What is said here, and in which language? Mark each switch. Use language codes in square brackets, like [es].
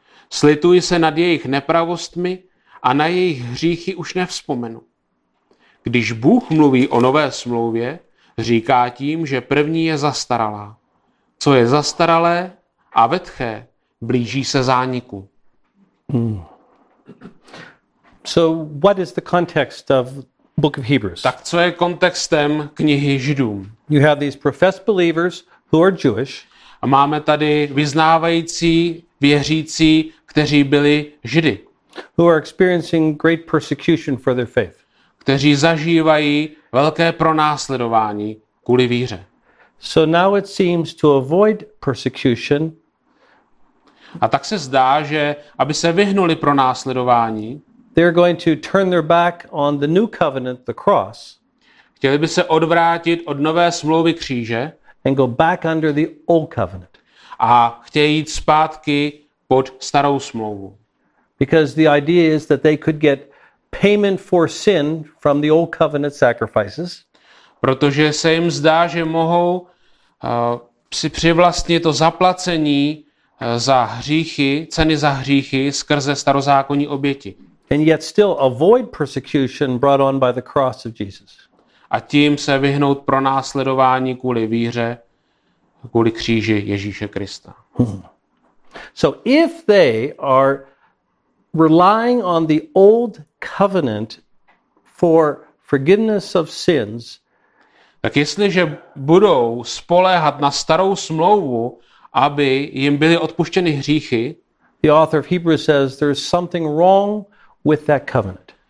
[cs] Slituji se nad jejich nepravostmi a na jejich hříchy už nevzpomenu. Když Bůh mluví o nové smlouvě, říká tím, že první je zastaralá. Co je zastaralé a vetché, blíží se zániku. Hmm. [en] So what is the context of Book of Hebrews? [cs] Tak co je kontextem knihy Židům? [en] You have these professed believers who are Jewish. [cs] A máme tady vyznávající věřící, kteří byli Židy. [en] Who are experiencing great persecution for their faith. [cs] Kteří zažívají velké pronásledování kvůli víře. [en] So now it seems to avoid persecution. [cs] A tak se zdá, že aby se vyhnuli pronásledování, [en] they're going to turn their back on the new covenant, the cross. [cs] Chtěli by se odvrátit od nové smlouvy kříže [en] and go back under the old covenant. [cs] A chtějí jít zpátky pod starou smlouvu. [en] Because the idea is that they could get payment for sin from the old covenant sacrifices. [cs] Protože se jim zdá, že mohou si přivlastnit to zaplacení za hříchy, ceny za hříchy skrze starozákonní oběti. [en] And yet still avoid persecution brought on by the cross of Jesus. [cs] A tím se vyhnout pronásledování kvůli víře, kvůli kříži Ježíše Krista. [en] So if they are relying on the old covenant for forgiveness of sins, [cs] Tak jestliže budou spoléhat na starou smlouvu, aby jim byly odpuštěny hříchy, [en] the author of Hebrews says there's something wrong with that covenant.